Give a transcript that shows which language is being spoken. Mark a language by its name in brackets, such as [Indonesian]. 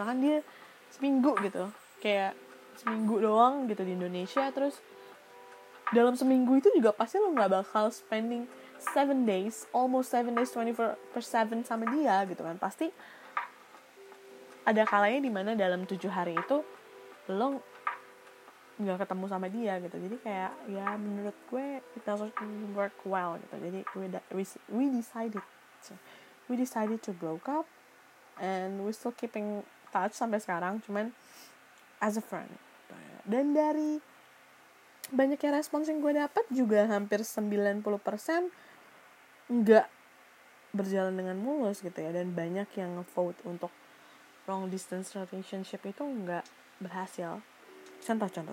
[Indonesian] Misalkan dia seminggu gitu loh, kayak seminggu doang gitu di Indonesia, terus dalam seminggu itu juga pasti lo nggak bakal [English] spending 7 days, almost 7 days 24/7 [Indonesian] sama dia gitu kan. Pasti ada kalanya dimana dalam 7 hari itu lo gak ketemu sama dia gitu. Jadi kayak ya menurut gue [English] it doesn't work well [Indonesian] gitu. Jadi [English] we decided to broke up and we still keeping touch [Indonesian] sampai sekarang, cuman [English] as a friend. [Indonesian] Dan dari banyaknya respons yang gue dapat juga hampir 90% gak berjalan dengan mulus gitu ya, dan banyak yang vote untuk long distance relationship itu gak berhasil. Contoh.